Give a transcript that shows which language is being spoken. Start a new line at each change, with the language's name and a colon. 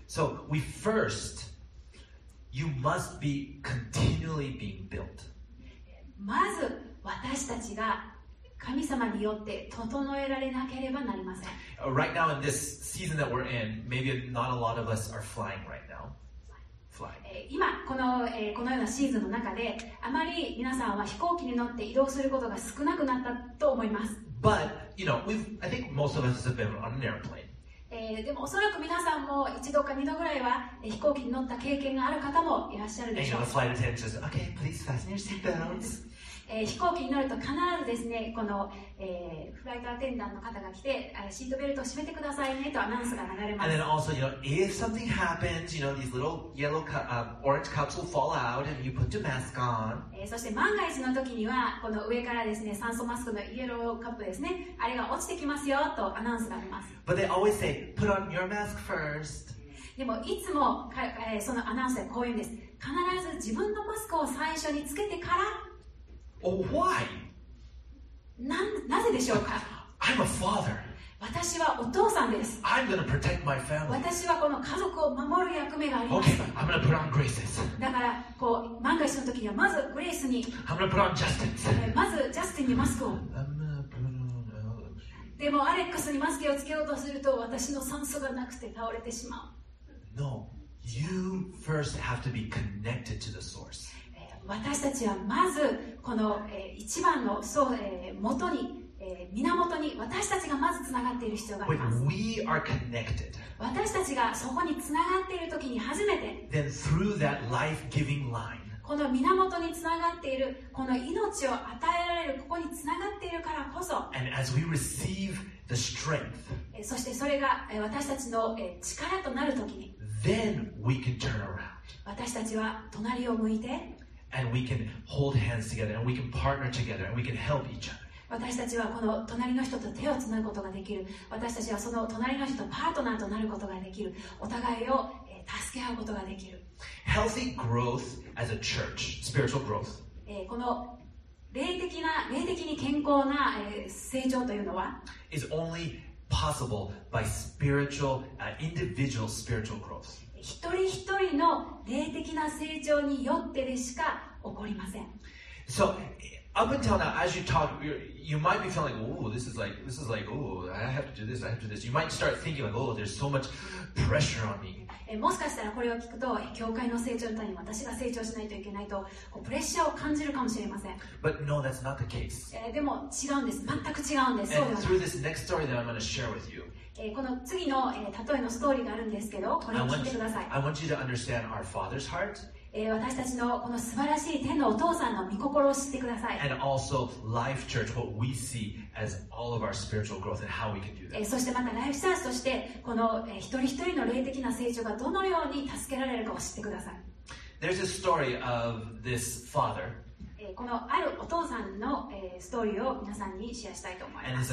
English: So we first, you must be continually being built.
Japanese: まず私たちが神様によって整えられなければなりません。
English: Right now in this season that we're in, maybe not a lot of us are flying right now.
Japanese: 今このようなシーズンの中で、あまり皆さんは飛行機に乗って移動することが少なくなったと思います。
English: But, you know, I think most of us have been on an airplane.
Japanese: でもおそらく皆さんも一度か二度ぐらいは飛行機に乗った経験がある方もいらっしゃるでしょう。
English: And you know, the flight attendant says, okay, please fasten your seatbelts.
Japanese: 飛行機に乗ると必ずですね、この、フライトアテンダントの方が来て、シートベルトを締めてくださいねとアナウンスが流れます。
English: And then also, you know, if something happens, you know, these little yellow orange cups will fall out and you put your mask on.
Japanese: そして万が一の時には、この上からですね、酸素マスクのイエローカップですね、あれが落ちてきますよとアナウンスがあります。
English: But they always say, put on your mask first.
Japanese: でもいつも、そのアナウンスでこう言うんです。必ず自分のマスクを最初につけてから。
English: Oh, why?
Japanese: なぜでしょうか。
English: I'm a father.
Japanese: 私はお父さんです。
English: I'm gonna protect my family.
Japanese: 私はこの家族を守る役目があります。
English: Okay, I'm gonna put on graces.
Japanese: だからこう万が一の時にはまずグレースに。
English: I'm gonna put on Justin.
Japanese: まずジャスティンにマスクを。
English: I'm gonna put on
Japanese: でもアレックスにマスクをつけようとすると私の酸素がなくて倒れてしまう。
English: No. You first have to be connected to the source.
Japanese: 私たちはまずこの一番のそう元に源に私たちがまずつながっている必要があります。
English: When we are connected,
Japanese: 私たちがそこにつながっているときに初めて、
English: then through that life-giving line,
Japanese: この源につながっているこの命を与えられるここにつながっているからこそ、
English: and as we receive the strength,
Japanese: そしてそれが私たちの力となるときに。
English: Then we can turn around.
Japanese: 私たちは隣を向いて、
English: and we can hold hands together, and we can partner together, and we can help each other.
Japanese: 私たちはこの隣の人と手をつなぐことができる。私たちはその隣の人とパートナーとなることができる。お互いを助け合うことができる。
English: Healthy growth as a church, spiritual growth.
Japanese: この霊的に健康な成長というのは、
English: is only possible by spiritual, individual spiritual growth.
Japanese: 一人一人の霊的な成長によってでしか起こりません。
English: So, up until now, as you talk, you might be feeling like, oh, this is like, oh, I have to do this. You might start thinking like, oh, there's so much pressure on me.
Japanese: もしかしたらこれを聞くと教会の成長のために私が成長しないといけないとこうプレッシャーを感じるかもしれません。
English: But no, that's not the case.
Japanese: でも違うんです。全く違うんです。
English: And through this next story that I'm going to share with you,
Japanese: この次の例えのストーリーがあるんですけど、これを聞いてください。
English: I want you to understand our Father's heart.
Japanese: 私たちのこの素晴らしい天のお父さんの御心を知ってください。
English: And also Life Church, what we see as all of our spiritual growth and how we can do that.
Japanese: そしてまたライフチャージとしてこの一人一人の霊的な成長がどのように助けられるかを知ってください。
English: There's a story of this father.
Japanese: このあるお父さんのストーリーを皆さんにシェアしたいと思います。